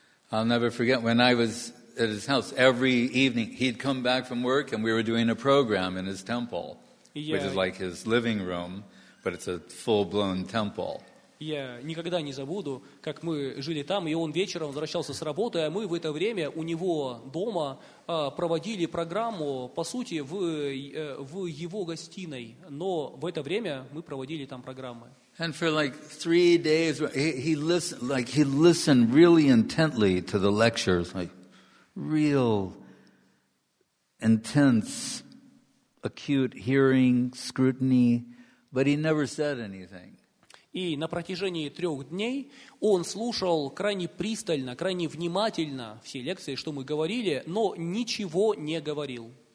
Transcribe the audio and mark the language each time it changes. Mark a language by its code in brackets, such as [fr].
[en] I'll never forget when I was at his house every evening. He'd come back from work and we were doing a program in his temple, which is like his living room, but it's a full-blown temple. [ru] Я никогда не забуду, как мы жили там, и он вечером возвращался с работы, а мы в это время у него дома проводили программу, по сути, в его гостиной, но в это время мы проводили там программы. [en] And for like 3 days, he listened really intently to the lectures, like real intense, acute hearing, scrutiny, but he never said anything. [ru] И на протяжении 3 дней он слушал крайне пристально, крайне внимательно все лекции, что мы говорили, но ничего не говорил.